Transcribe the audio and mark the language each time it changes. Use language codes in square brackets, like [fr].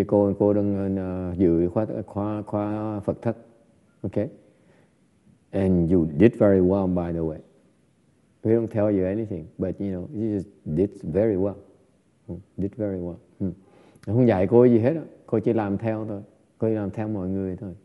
[vi] Cô đang giữ khóa Phật thất, okay? [en] And you did very well, by the way. We don't tell you anything, but you know, you just did very well. Did very well. [vi] Không dạy cô gì hết, cô chỉ làm theo thôi. Cô chỉ làm theo mọi người thôi.